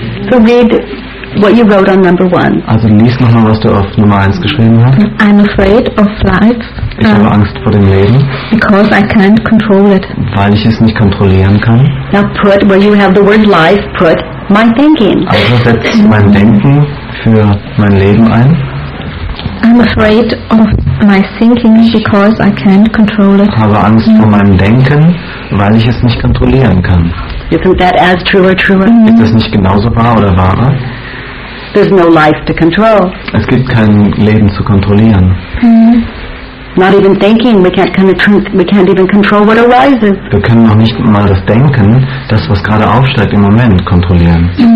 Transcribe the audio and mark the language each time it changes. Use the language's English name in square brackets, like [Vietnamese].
[English] So read what you wrote on number one. [German] Also lies nochmal, was du auf Nummer 1 geschrieben hast. [English] I'm afraid of life. [German] Ich habe Angst vor dem Leben. [English] Because I can't control it. [German] Weil ich es nicht kontrollieren kann. [English] Now put where you have the word life, put my thinking. [German] Also setz mein Denken für mein Leben ein. [English] I'm afraid of my thinking because I can't control it. [German] Ich habe Angst vor meinem Denken, weil ich es nicht kontrollieren kann. [English] Isn't that as true or truer? [German] Ist das nicht genauso wahr oder wahrer? [English] There's no life to control. [German] Es gibt kein Leben zu kontrollieren. [English] Not even thinking, we can't even control what arises. [German] Wir können noch nicht mal das Denken, das was gerade aufsteigt im Moment, kontrollieren.